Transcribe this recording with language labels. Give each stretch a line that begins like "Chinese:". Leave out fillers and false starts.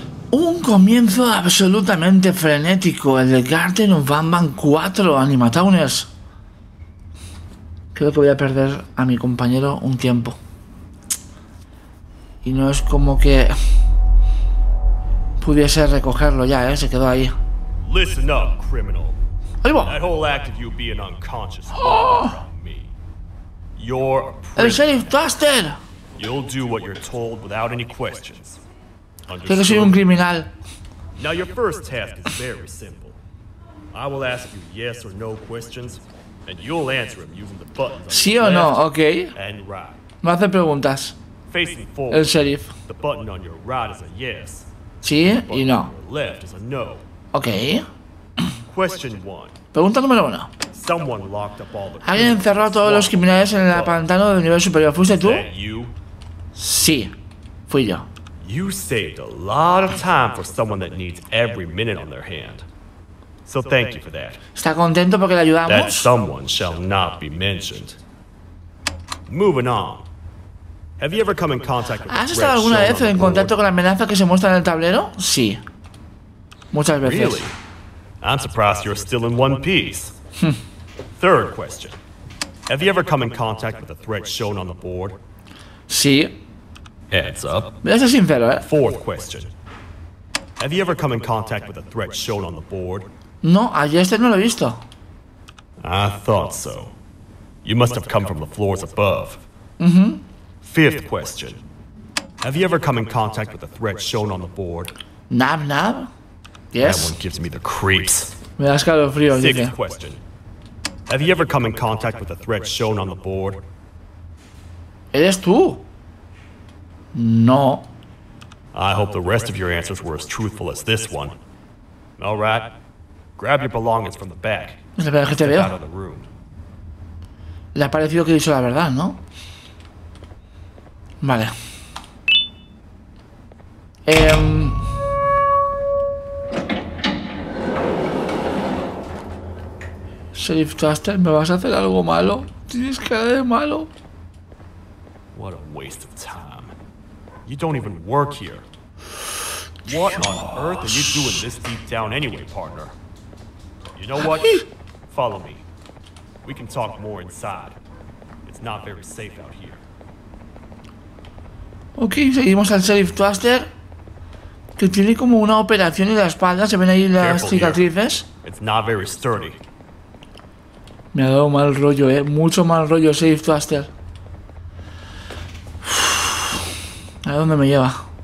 Spanish: Un comienzo absolutamente frenético, el de Garten of Bamban 4 Animatowners. Creo que voy a perder a mi compañero un tiempo. Y no es como que pudiese recogerlo ya, se quedó ahí.
English: Listen up, criminal.
Spanish: Ahí va.
English: That whole act of you being unconscious from me. You're a prisoner.
Spanish: El sheriff Duster.
English: You'll do what you're told without any questions.
Spanish: Creo que soy un criminal.
English: Now your first task is very simple. I will ask you yes or no questions, and you'll answer them using the buttons.
Spanish: Sí o no, okay.
English: And right.
Spanish: Me hace preguntas.
English: Facing forward.
Spanish: El sheriff.
English: The button on your right is a yes.
Spanish: Sí y no.
English: Left is a no. Okay. Question one.
Spanish: Pregunta número uno.
English: Someone locked up all the.
Spanish: ¿Alguien encerró a todos los criminales en el pantano del nivel superior? ¿Fuiste tú? Sí, fui yo.
English: You saved a lot of time for someone that needs every minute on their hand. So thank you for that.
Spanish: ¿Está contento porque le ayudamos?
English: That someone shall not be mentioned. Moving on. Have you ever come in contact with
Spanish: ¿Has estado alguna vez en contacto con la amenaza que se muestra en el tablero? Sí. Muchas veces.
English: Really? I'm surprised you're still in one piece. Third question. Have you ever come in contact with the threat shown on the board?
Spanish: Sí.
English: Heads up.
Spanish: Eso es sincero, ¿eh?
English: Fourth question. Have you ever come in contact with the threat shown on the board?
Spanish: No, ayer este no lo he visto.
English: I thought so. You must have come from the floors above. Mm-hmm. Fifth question. Have you ever come in contact with the threat shown on the board? Nab, nab. Yes. That one gives me the creeps.
Spanish: Me da escalofrío, dice.
English: Sixth question. Have you ever come in contact with the threat shown on the board?
Spanish: ¿Eres tú? No.
English: I hope the rest of your answers were as truthful as this one. All right. Grab your belongings from the back.
Spanish: Es la verdad que te veo. Le ha parecido que he dicho la verdad, ¿no? Vale. Sheriff Duster, ¿me vas a hacer algo malo? Tienes cara de malo.
English: What a waste of time. You don't even work here. What
Spanish: Dios.
English: On earth are you doing this deep down anyway, partner? You know what? Follow me. We can talk more inside. It's not very safe out here.
Spanish: Ok, seguimos al Sheriff Duster. Que tiene como una operación en la espalda. Se ven ahí las cicatrices.
English: It's not very sturdy.
Spanish: Me ha dado mal rollo, ¿eh? Mucho mal rollo, Sheriff Duster. ¿A dónde me lleva?